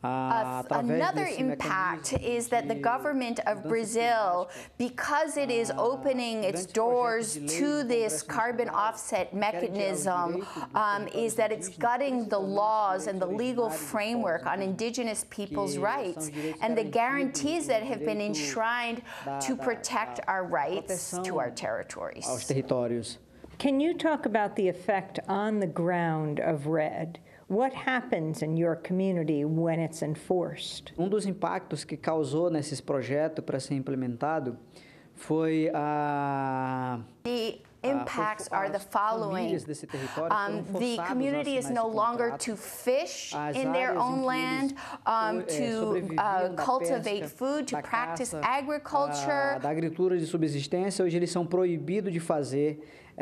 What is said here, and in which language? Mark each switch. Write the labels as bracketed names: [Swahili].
[English] Another impact is that the government of Brazil, because it is opening its doors to this carbon offset mechanism, is that it's gutting the laws and the legal framework on indigenous people's rights and the guarantees that have been enshrined to protect our rights to our territories. Can you talk about the effect on the ground of RED? What happens in your community when it's enforced? [Portuguese] Um dos impactos que causou nesse projeto para ser implementado foi a [English] The impacts are the following. The community is no longer to fish in their own land, to cultivate food, to practice agriculture. [Portuguese] Da agricultura de subsistência, hoje eles são proibidos de fazer.